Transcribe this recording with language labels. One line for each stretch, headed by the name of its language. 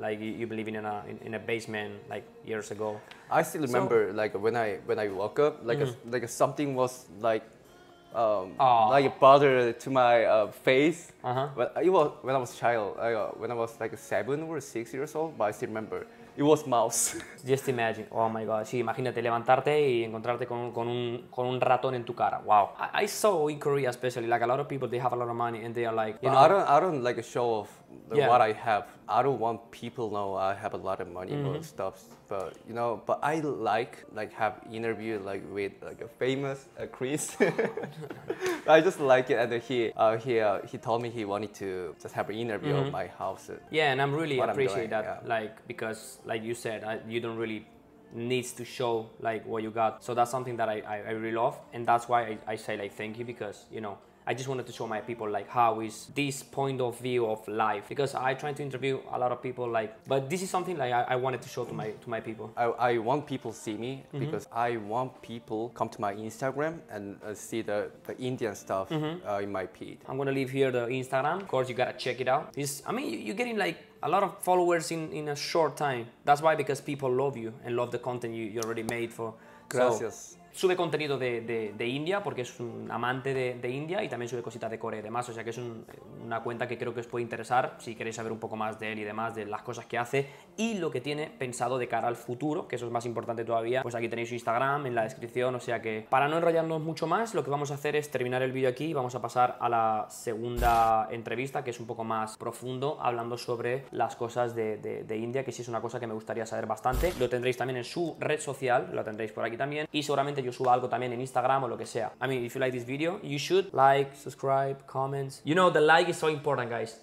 English: Like you believe in a basement like years ago. I still remember like when I woke up, like like something was like, like butter to my face. Uh-huh. But it was when I was a child, when I was like 7 or 6 years old, but I still remember. It was mouse. Just imagine. Oh my god.
Spanish: Sí, imagínate levantarte y encontrarte con un ratón en tu cara.
English: Wow. I saw in Korea especially, like a lot of people, they have a lot of money and they are like, you know, I don't like a show off what I have. I don't want people know I have a lot of money and stuff. But you know, but I like have interview like with like a famous Chris. I just like it, and he told me he wanted to just have an interview of my house. Yeah, and I'm really appreciate that. Yeah. Like because like you said, you don't really needs to show like what you got. So that's something that I really love, and that's why I say like thank you, because you know. I just wanted to show my people like how is this point of view of life, because I try to interview a lot of people like, but this is something like I wanted to show to my people. I want people see me because I want people come to my Instagram and see the Indian stuff in my feed. I'm gonna leave here the Instagram. Of course, you gotta check it out. You're getting like a lot of followers in a short time. That's why, because people love you and love the content you already made for.
Spanish: Gracias. So, sube contenido de India, porque es un amante de India, y también sube cositas de Corea y demás, o sea que es una cuenta que creo que os puede interesar si queréis saber un poco más de él y demás, de las cosas que hace y lo que tiene pensado de cara al futuro, que eso es más importante todavía. Pues aquí tenéis su Instagram en la descripción, o sea que para no enrollarnos mucho más, lo que vamos a hacer es terminar el vídeo aquí y vamos a pasar a la segunda entrevista, que es un poco más profundo, hablando sobre las cosas de India, que sí es una cosa que me gustaría saber bastante. Lo tendréis también en su red social, lo tendréis por aquí también, y seguramente yo subo algo también en Instagram o lo que sea.
English: I mean, if you like this video, you should like, subscribe, comment. You know, the like is so important, guys.